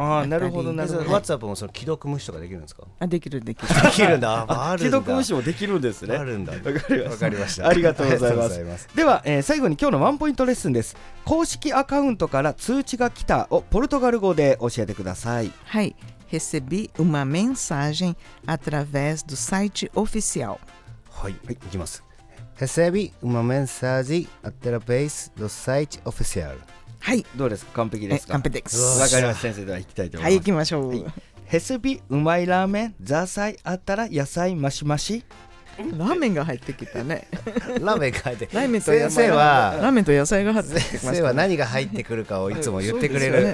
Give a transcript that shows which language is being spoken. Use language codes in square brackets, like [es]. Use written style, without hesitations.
[ja] り。あ、なるほどなるほど。ワッツアップもその既読無視とかできるんですか？あ、できるできるできるんだ。あ、あるんだ。既読無視もできるんですね。あるんだ。わかりました、わかりました。ありがとうございます。では、最後に今日のワンポイントレッスンです。公式アカウントから通知が来たをポルトガル語で教えてください。はい、 [pt] Recebi uma mensagem através do site oficial。 [ja] はい、はい、いきます。 [pt] Recebi uma mensagem através do site oficial。 [ja] はい、どうですか、完璧ですか？完璧です。わかりました。先生、では行きたいと思います。はい、行きましょう。 Recebi うまいラーメン、ザーサイあったら野菜マシマシ。ラーメンが入ってきたね。ラーメンが入って、ラーメンと野菜は、ラーメンと野菜が入ってきました。先生は何が入ってくるかをいつも言ってくれる、